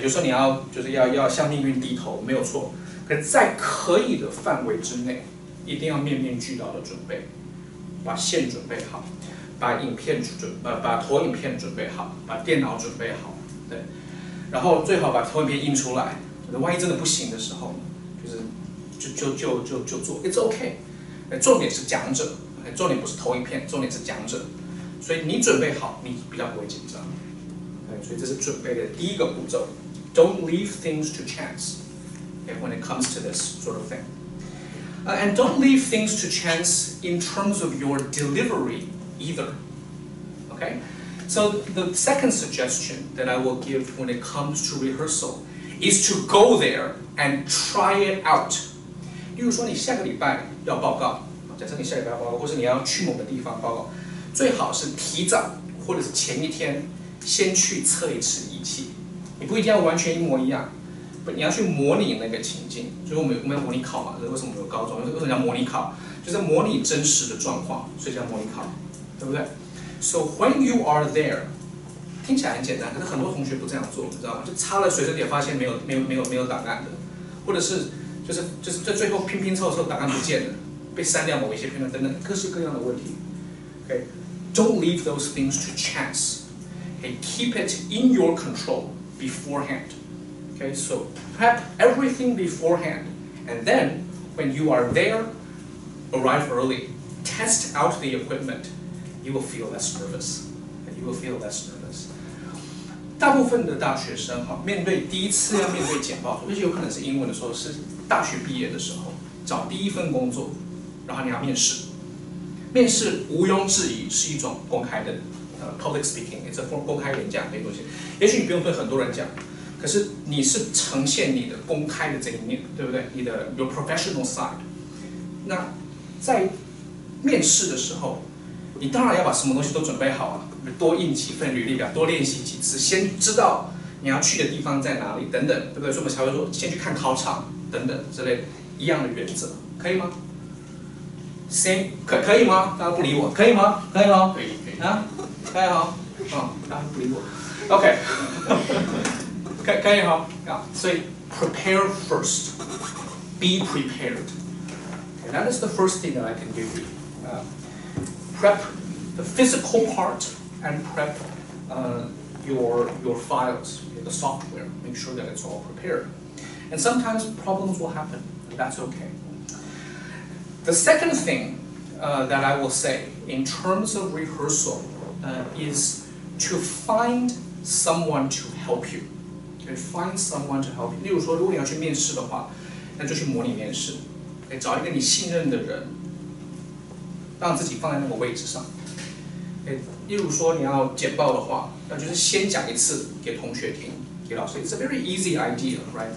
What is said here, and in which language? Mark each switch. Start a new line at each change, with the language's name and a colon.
Chinese: 就说你要就是要向命运低头，没有错。在可以的范围之内，一定要面面俱到的准备，把线准备好，把影片把投影片准备好，把电脑准备好，对，然后最好把投影片印出来。万一真的不行的时候，就是就做 ，
English: It's OK。
Chinese: 重点是讲者，重点不是投影片，重点是讲者。所以你准备好，你比较不会紧张。所以这是准备的第一个步骤 ，
English: Don't leave things to chance。 Okay, when it comes to this sort of thing. And don't leave things to chance in terms of your delivery either. Okay? So the second suggestion that I will give when it comes to rehearsal is to go there and try it out.
Chinese: 例如说你下个礼拜要报告，假设你下礼拜要报告，或是你要去某个地方报告，最好是提早或者是前一天先去测一次仪器。你不一定要完全一模一样。你要去模拟那个情境，就是我们要模拟考嘛，为什么有高中？为什么叫模拟考？就是模拟真实的状况，所以叫模拟考，对不对 ？
English: So when you are there，
Chinese: 听起来很简单，可是很多同学不这样做，你知道吗？就插了随身碟，发现没有档案的，或者是就是在最后拼拼凑凑档案不见了，被删掉某一些片段等等，各式各样的问题。
English: Okay， don't leave those things to chance. Okay， keep it in your control beforehand. Okay, so prep everything beforehand, and then when you are there, arrive early, test out the equipment, you will feel less nervous. You will feel less nervous.
Chinese: 大部分的大学生哈，面对第一次要面对简报，而且有可能是英文的时候，是大学毕业的时候，找第一份工作，然后你要面试。面试毋庸置疑是一种公开的
English: public speaking, it's a form
Chinese: 公开演讲的东西。也许你不用对很多人讲。可是你是呈现你的公开的这一面，对不对？你的
English: your professional side。
Chinese: 那在面试的时候，你当然要把什么东西都准备好啊，多印几份履历表，多练习几次，先知道你要去的地方在哪里，等等，对不对？所以我们才会说先去看考场，等等之类一样的原则，可以吗？先可以吗？大家不理我，可以吗？可以吗？可以可以啊，可以哈，大家不理我 ，OK 。可以哈，所以
English: prepare first. Be prepared. And that is the first thing that I can give you. Prep the physical part and prep your files, the software. Make sure that it's all prepared. And sometimes problems will happen, and that's okay. The second thing that I will say in terms of rehearsal is to find someone to help you. Okay, find someone to help you.
Chinese: 例如说，如果你要去面试的话，那就去模拟面试。Okay, 找一个你信任的人，让自己放在那个位置上。 Okay, 例如说你要简报的话，那就是先讲一次给同学听，给老师。
English: It's a very easy idea, right?